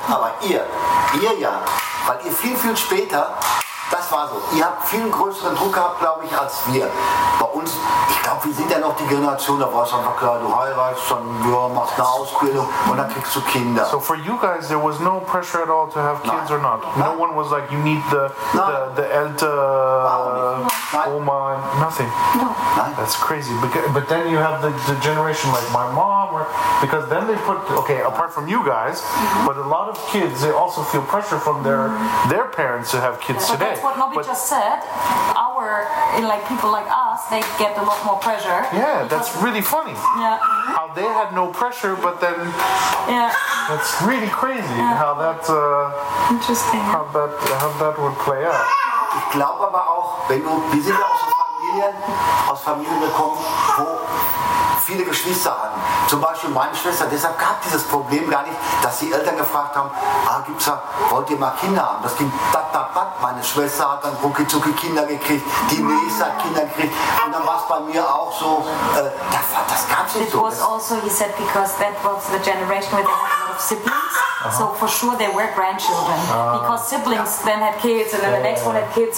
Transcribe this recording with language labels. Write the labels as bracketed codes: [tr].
[de] Aber ihr ja, weil ihr viel, viel später, das war so, ihr habt viel größeren Druck gehabt, glaube ich, als wir. Bei uns, ich glaube, wie sieht denn auch die Generation? Da war es einfach klar, du heiratest, dann ja, machst eine Ausbildung und dann kriegst du Kinder. [en] So for you guys, there was no pressure at all to have kids. Nein. Or not? No. Nein. One was like, you need the elder Oma, nothing. No. [de] Nein. [en] That's crazy. But then you have the generation like my mom, or because then they put, okay, apart from you guys, mm-hmm. but a lot of kids, they also feel pressure from their parents to have kids today. That's what Nobby just said. Our, like, people like us, they get a lot more pressure. Yeah, because, that's really funny. Yeah. Mm-hmm. How they had no pressure, but then... Yeah. That's really crazy, yeah. How that... Interesting. How that would play out. [de] Ich glaube aber auch, wenn du, wir sind ja aus Familien gekommen, wo viele Geschwister hatten. Zum Beispiel meine Schwester, deshalb gab dieses Problem gar nicht, dass die Eltern gefragt haben, ah, gibt's da, wollt ihr mal Kinder haben? Das ging dat, dat, dat. Meine Schwester hat dann ruckizucki Kinder gekriegt, die nächste hat Kinder gekriegt. Und dann war es bei mir auch so, das gab's nicht [en] it so. It was also, he said, because that was the generation with a lot of siblings. Uh-huh. So for sure there were grandchildren. Because siblings then had kids, and then the next one had kids.